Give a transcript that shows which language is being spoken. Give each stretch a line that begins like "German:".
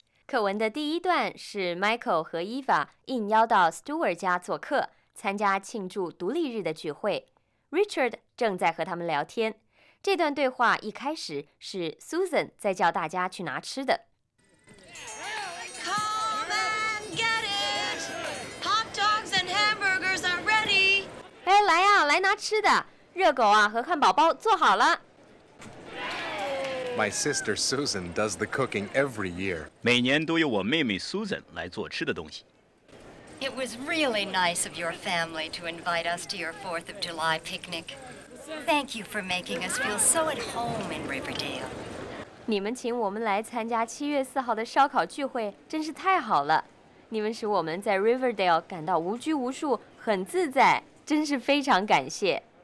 Chinese: 课文的第一段是 Michael 和 Eva 应邀到 Stewart 家做客，参加庆祝独立日的聚会。 Richard 正在和他们聊天。这段对话一开始是 Susan 在叫大家去拿吃的。
English: Come and get it! Hot dogs and hamburgers are ready!
Chinese: 哎，来呀，来拿吃的。热狗和汉堡包做好了。
English: My sister Susan does the cooking every year.
Chinese: 每年都由我妹妹 Susan 来做吃的东西。
English: It was really nice of your family to invite us to your 4th of July picnic. Thank you for making us feel so at home in Riverdale.
Chinese: 你们请我们来参加7月4号的烧烤聚会真是太好了。你们使我们在 Riverdale 感到无拘无束很自在真是非常感谢。